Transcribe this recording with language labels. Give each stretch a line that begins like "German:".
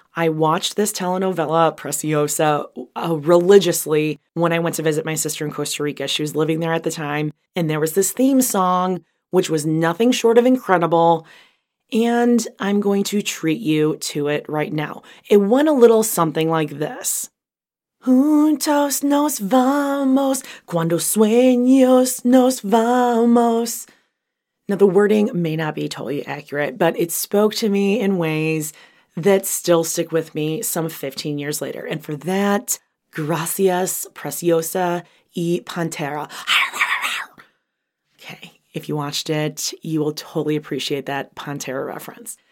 English: I watched this telenovela, Preciosa, religiously when I went to visit my sister in Costa Rica. She was living there at the time. And there was this theme song, which was nothing short of incredible. And I'm going to treat you to it right now. It went a little something like this.
Spanish: Juntos nos vamos, cuando sueños nos vamos.
English: Now, the wording may not be totally accurate, but it spoke to me in ways that still stick with me some 15 years later. And for that,
Spanish: gracias, preciosa y pantera.
English: Okay. If you watched it, you will totally appreciate that Pantera reference.